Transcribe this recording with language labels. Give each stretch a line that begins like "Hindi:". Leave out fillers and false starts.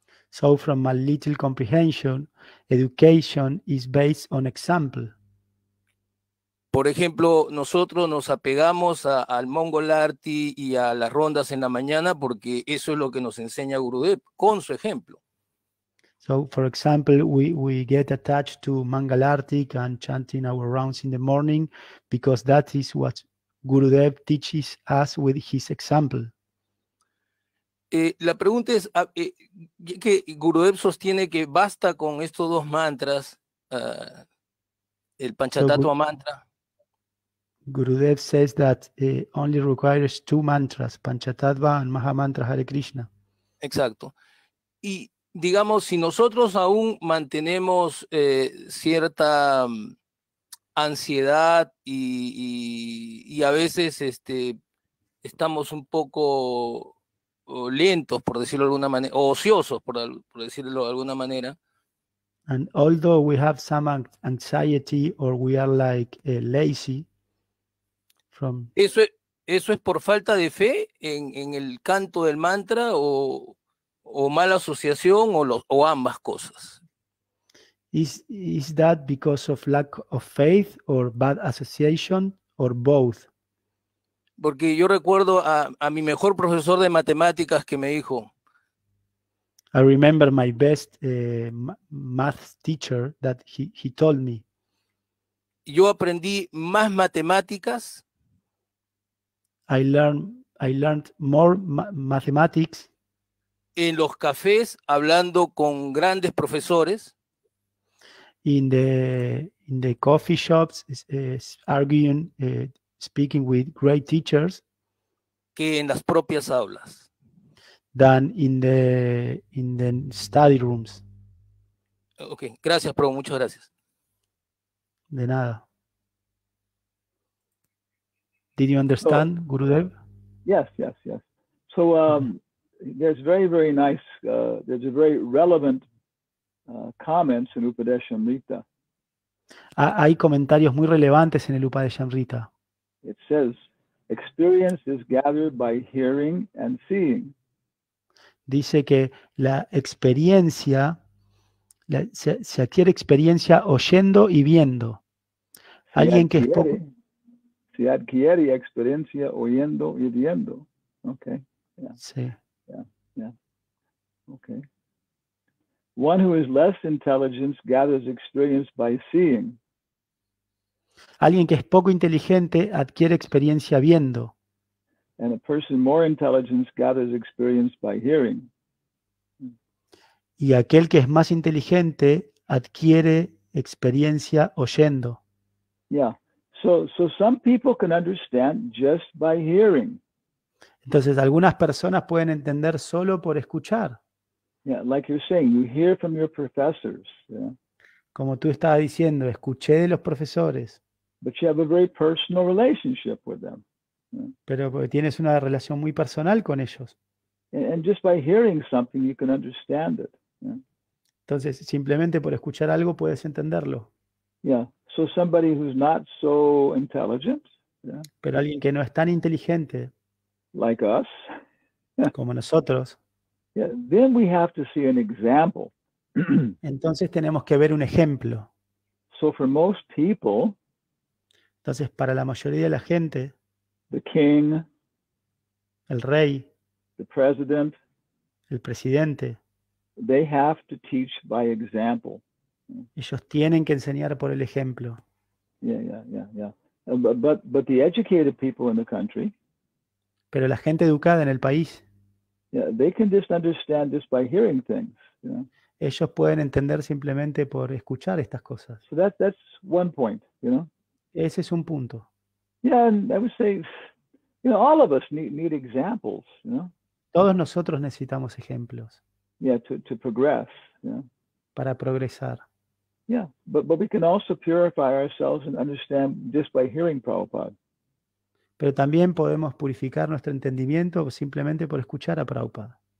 English: So from my little comprehension, education is based on example.
Spanish: Por ejemplo, nosotros nos apegamos al Mongolarti y a las rondas en la mañana porque eso es lo que nos enseña Gurudev con su ejemplo.
English: So for example, we get attached to Mangalarti and chanting our rounds in the morning because that is what Gurudev teaches us with his example.
Spanish: La pregunta es que Gurudev sostiene que basta con estos dos mantras, el Panchatattva mantra.
English: Gurudev says that only requires two mantras, Panchatattva and Mahamantra Hare Krishna.
Spanish: Exacto. Y digamos, si nosotros aún mantenemos cierta ansiedad y a veces estamos un poco lentos, por decirlo de alguna manera, o ociosos, por decirlo de alguna manera.
English: And although we have some anxiety or we are like lazy, from...
Spanish: ¿Eso es por falta de fe en el canto del mantra o mala asociación o ambas cosas?
English: Is that because of lack of faith or bad association or both?
Spanish: Porque yo recuerdo a mi mejor profesor de matemáticas que me dijo.
English: I remember my best math teacher that he told me.
Spanish: Yo aprendí más matemáticas.
English: I learned more mathematics
Spanish: en los cafés hablando con grandes profesores,
English: in the coffee shops arguing speaking with great teachers,
Spanish: que en las propias aulas,
English: than in the study rooms.
Spanish: Okay, gracias, profe, muchas gracias. De nada.
English: Did you understand, so, Gurudev? Yes, yes, yes. So there's very, very nice, there's a very relevant comments in Upadeshamrita.
Spanish: Hay comentarios muy relevantes en el Upadeshamrita.
English: It says, experience is gathered by hearing and seeing.
Spanish: Dice que la experiencia, se adquiere experiencia oyendo y viendo. Alguien que es poco... Se adquiere experiencia oyendo y viendo. Okay. Yeah. Sí.
English: Yeah. Yeah. Okay. One who is less intelligent gathers experience by seeing.
Spanish: Alguien que es poco inteligente adquiere experiencia viendo.
English: And a person more intelligent gathers experience by hearing.
Spanish: Y aquel que es más inteligente adquiere experiencia oyendo.
English: Yeah. So some people can understand just by hearing.
Spanish: Entonces algunas personas pueden entender solo por escuchar.
English: Yeah, like you're saying, you hear from your professors. Yeah.
Spanish: Como tú estabas diciendo, escuché de los profesores.
English: But you have a very personal relationship with them. Yeah.
Spanish: Pero tienes una relación muy personal con ellos.
English: And just by hearing something, you can understand it. Yeah.
Spanish: Entonces, simplemente por escuchar algo puedes entenderlo.
English: Yeah. So somebody who's not so intelligent. Yeah.
Spanish: Pero alguien que no es tan inteligente.
English: Like us.
Spanish: Como nosotros.
English: Yeah, then we have to see an example.
Spanish: Entonces tenemos que ver un ejemplo.
English: So for most people,
Spanish: entonces para la mayoría de la gente,
English: the king,
Spanish: el rey,
English: the president,
Spanish: el presidente,
English: they have to teach by example.
Spanish: Ellos tienen que enseñar por el ejemplo.
English: Yeah. But the educated people in the country,
Spanish: pero la gente educada en el país,
English: yeah, they can just understand just by hearing things, you know?
Spanish: Ellos pueden entender simplemente por escuchar estas cosas.
English: So that's one point, you know?
Spanish: Ese es un punto.
English: Yeah, and I would say, you know, all of us need examples, you know?
Spanish: Todos nosotros necesitamos ejemplos.
English: Yeah, to progress, you know?
Spanish: Para progresar.
English: Yeah, but we can also purify ourselves and understand just by hearing Prabhupada.
Spanish: Pero también podemos purificar nuestro entendimiento simplemente por escuchar a Prabhupada.